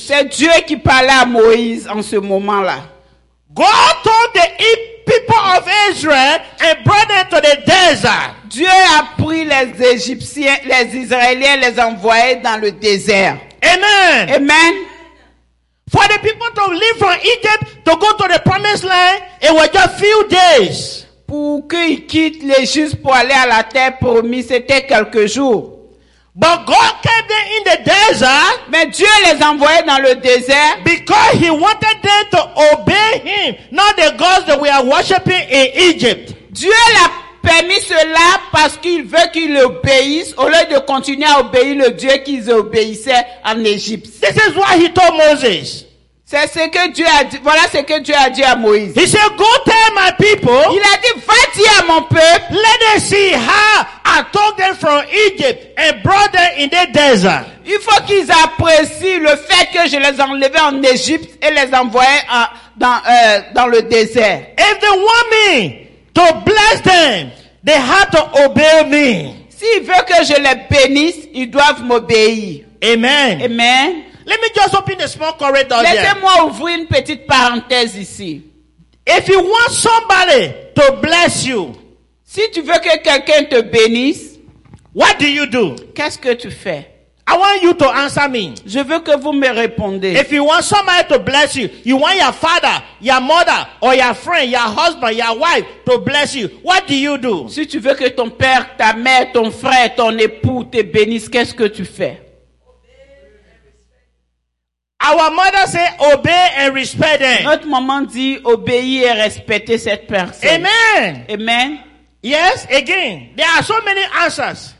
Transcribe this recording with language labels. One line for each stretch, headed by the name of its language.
French: C'est Dieu qui parlait à Moïse en ce moment-là.
English: God told the people of Israel and brought them to the desert.
French: Dieu a pris les Égyptiens, les Israéliens, les envoyés dans le désert.
English: Amen.
French: Amen.
English: For the people to leave from Egypt to go to the promised land, it was just a few days.
French: Pour qu'ils quittent l'Égypte pour aller à la terre promise, c'était quelques jours.
English: But God kept them in the desert.
French: Mais Dieu les envoyait dans le désert.
English: Because he wanted them to obey him, not the gods that we are worshiping in Egypt.
French: Dieu l'a permis cela parce qu'il veut qu'ils obéissent au lieu de continuer à obéir le Dieu qu'ils obéissaient en Égypte.
English: This is what he told Moses.
French: C'est ce que Dieu a dit. Voilà ce que Dieu a dit à Moïse.
English: He said, "Go tell my people."
French: Il a dit, va dire à mon peuple.
English: "Let them see how I took them from Egypt and brought them in the desert."
French: Il faut qu'ils apprécient le fait que je les enlevais en Égypte et les envoyais dans le désert.
English: If they want me to bless them, they have to obey me.
French: S'ils veulent que je les bénisse, ils doivent m'obéir.
English: Amen.
French: Amen.
English: Let me just open a small corridor.
French: Laissez-moi ouvrir une petite parenthèse ici.
English: If you want somebody to bless you,
French: si tu veux que quelqu'un te bénisse,
English: what do you do?
French: Qu'est-ce que tu fais?
English: I want you to answer me.
French: Je veux que vous me répondez.
English: If you want somebody to bless you, you want your father, your mother, or your friend, your husband, your wife to bless you, what do you do?
French: Si tu veux que ton père, ta mère, ton frère, ton époux te bénisse, qu'est-ce que tu fais?
English: Our mother say, obey and respect them.
French: Notre maman dit, obéis et respectez cette personne.
English: Amen.
French: Amen.
English: Yes, again. There are so many answers.